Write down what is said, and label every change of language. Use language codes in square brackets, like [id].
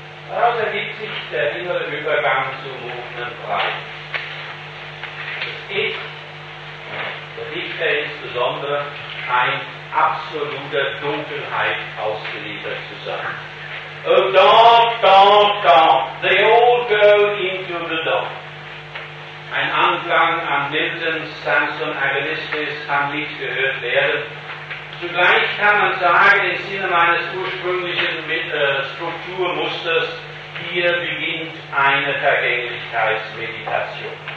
[de] Daraus ergibt sich der innere Übergang zum offenen Preis. Das Ich, der Dichter insbesondere, scheint absoluter Dunkelheit ausgeliefert zu sein. [en] Oh, dark, dark, dark. They all go into the dark. [de] Ein Anklang an Milton's Samson Agonistes kann nicht gehört werden. Zugleich kann man sagen, im Sinne meines ursprünglichen Strukturmusters, hier beginnt eine Vergänglichkeitsmeditation.